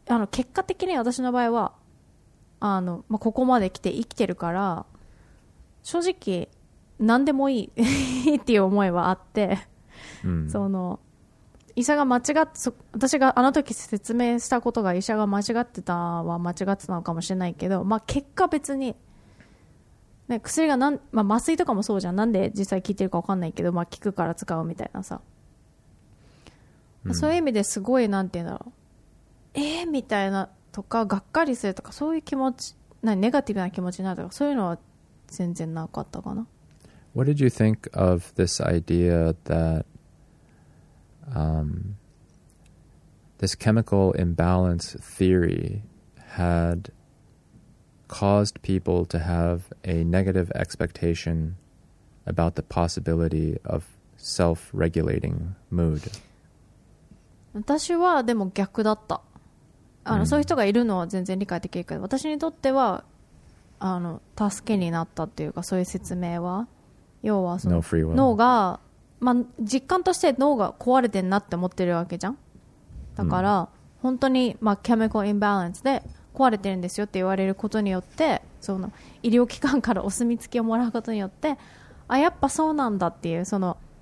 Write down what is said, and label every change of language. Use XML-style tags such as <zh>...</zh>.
<ja>結果的に私の場合はまあ、ここまで来て生きてるから正直何でもいいっていう思いはあって、その医者が間違って私があの時説明したことが医者が間違ってたは間違ってたのかもしれないけど、まあ、結果別にね、薬がまあ、麻酔とかもそうじゃん。なんで実際効いてるか分かんないけど、まあ、効くから使うみたいなさ。そういう意味ですごい、なんて言うんだろう。みたいなとか、がっかりするとか、そういう気持ち、ネガティブな気持ちになるとか、そういうのは全然なかったかな。</ja> <en>What did you think of this idea that this chemical imbalance theory had caused people to have a negative expectation about the possibility of self-regulating mood?</en> <ja>私はでも逆だった。そういう人がいるのは全然理解できるけど、私にとっては助けになったっていうか、そういう説明は要はその脳が、まあ、実感として脳が壊れてんなって思ってるわけじゃん。だから、本当に、まあ、ケミカルインバランスで壊れてるんですよって言われることによって、その医療機関からお墨付きをもらうことによって、あ、やっぱそうなんだっていう、その</ja>